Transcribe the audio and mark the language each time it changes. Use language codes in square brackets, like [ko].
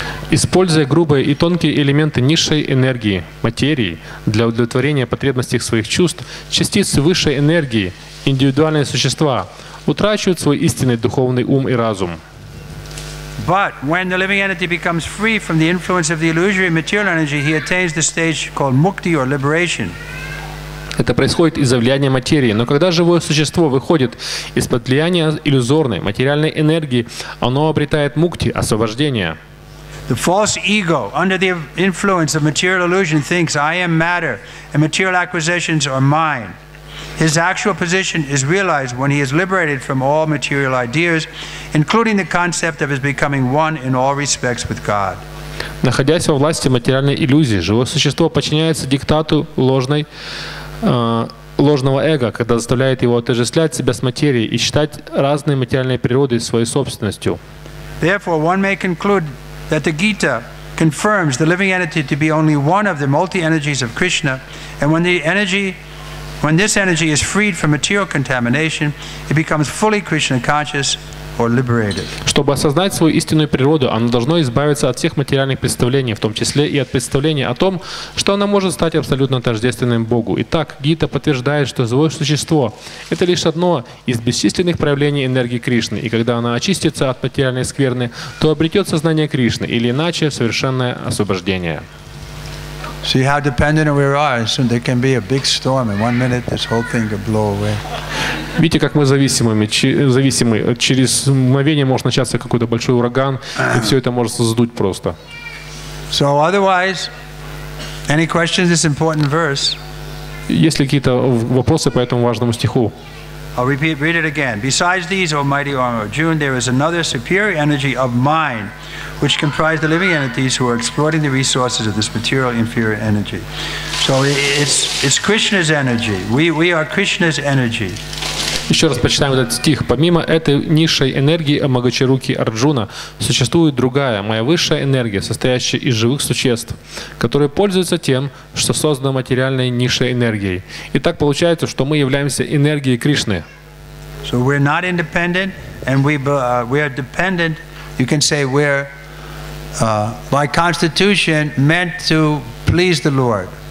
[ru] Используя грубые и тонкие элементы низшей энергии, материи, для удовлетворения потребностей своих чувств, частицы высшей энергии, индивидуальные существа, утрачивают свой истинный духовный ум и разум. [en] But when the living entity becomes free from the influence of the illusory material energy, he attains the stage called mukti or liberation. [ru] Это происходит из-за влияния материи, но когда живое существо выходит из-под влияния иллюзорной материальной энергии, оно обретает мукти, освобождение. [en] The false ego, under the influence of material illusion, thinks I am matter and material acquisitions are mine. His actual position is realized when he is liberated from all material ideas, including the concept of his becoming one in all respects with God. [ru] Находясь во власти материальной иллюзии, живое существо подчиняется диктату ложного эго, когда заставляет его отождествлять себя с материей и считать разные материальные природы своей собственностью. [en] Therefore, one may conclude that the Gita confirms the living entity to be only one of the multi-energies of Krishna, and when this energy is freed from material contamination, it becomes fully Krishna conscious, or liberated. [ru] Чтобы осознать свою истинную природу, оно должно избавиться от всех материальных представлений, в том числе и от представления о том, что оно может стать абсолютно тождественным Богу. Итак, Гита подтверждает, что живое существо – это лишь одно из бесчисленных проявлений энергии Кришны, и когда она очистится от материальной скверны, то обретет сознание Кришны, или иначе – совершенное освобождение. [en] See how dependent we are. So there can be a big storm, and one minute this whole thing could blow away. [ru] Видите, как мы зависимы. Через мгновение может начаться какой-то большой ураган, и все это может сдуть просто. [en] So otherwise, any questions? This important verse. [ru] Есть ли какие-то вопросы по этому важному стиху? [en] I'll repeat, read it again. Besides these, O mighty Arjuna, there is another superior energy of mind, which comprises the living entities who are exploiting the resources of this material inferior energy. So it's Krishna's energy. We are Krishna's energy. [ru] Еще раз прочитаем этот стих. Помимо этой низшей энергии Могочаруки Арджуна, существует другая, моя высшая энергия, состоящая из живых существ, которые пользуются тем, что создано материальной низшей энергией. И так получается, что мы являемся энергией Кришны. [en] So we're not independent, and we are dependent. You can say we're by constitution meant to please the Lord.